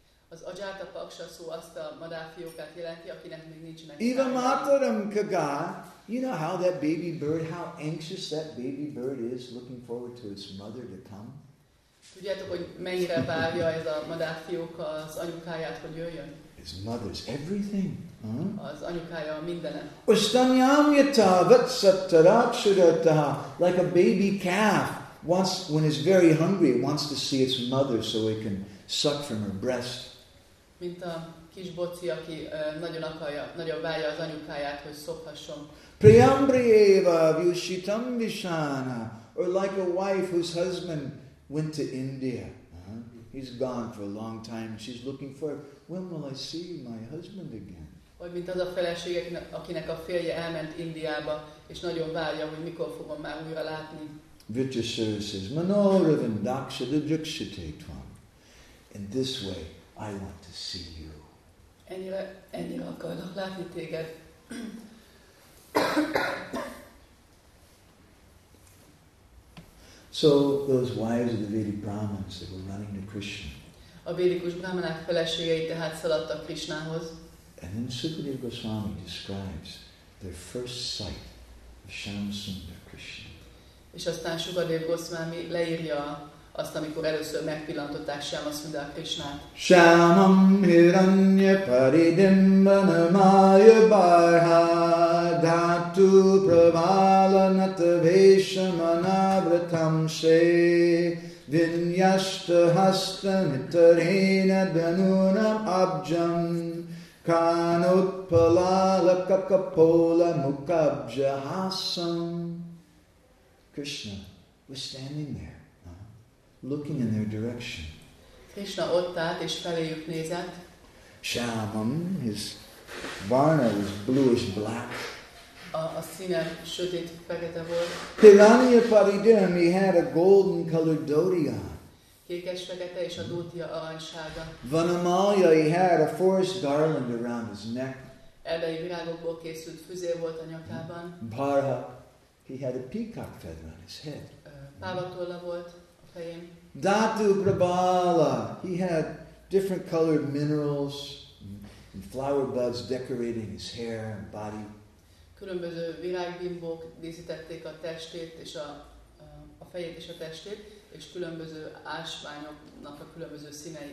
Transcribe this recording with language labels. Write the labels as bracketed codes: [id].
[hu] Az ajata paksha szó azt a madárfiókát jelenti, akinek még nincsenek. [sa] Eva mataram kaga. [en] You know how that baby bird, how anxious that baby bird is looking forward to its mother to come? [hu] Tudjátok, hogy mennyire várja ez a madárfióka az anyukáját, hogy jöjjön? [en] His mother's everything. [hu] Az anyukája a mindene. [sa] Ustanyam yata vatsattarakshudata. [en] Like a baby calf, wants, when it's very hungry, it wants to see its mother so it can suck from her breast. [hu] Mint a kis boci, aki nagyon akarja, nagyon várja az anyukáját, hogy szophasson. [sa] Priyambrieva vyushitam vishana. [en] Or like a wife whose husband went to India. He's gone for a long time. She's looking for, when will I see my husband again? [hu] Vagy mint az a feleség, akinek a férje elment Indiába, és nagyon várja, hogy mikor fogom már újra látni. [sa] Vritya Sura says, Manoravindaksha didrikshite tvam. [en] In this way, I want to see you. [hu] Ennyire akarok látni téged. [en] So those wives of the Vedic Brahmins that were running to Krishna. [hu] A védikus brahmanák feleségei tehát szaladtak Krishnához. [en] And then Sukadeva Goswami describes their first sight of Shamsundar Krishna. [hu] És aztán Sukadeva Goswami leírja azt, amikor először megpillantották Shamsundar Krishnát. [sa] Shamam hiranya paridimbana maya barha dhatu pravalanat veshamana vratam se vinyashta hastanitarena danunam abjam kanut palala kakapola mukabja hasam. [en] Krishna was standing there, looking in their direction. [hu] Krishna ott állt és feléjük nézett. [en] Shyamam, his varna was bluish black. [hu] A színe sötét fekete volt. [en] Hiranya paridim, he had a golden colored dhoti on. [hu] Kékes fekete és a dhotija aranysága. [en] Vanamalya, he had a forest garland around his neck. [hu] Erdei virágokból készült füzér volt a nyakában. [en] Bharha, he had a peacock feather on his head. [hu] Pávatolla volt. [en] Dhatu Prabala, he had different colored minerals and flower buds decorating his hair and body. [hu] Különböző virágbimbók díszítették a testét és a fejét és a testét, és különböző ásványoknak a különböző színei.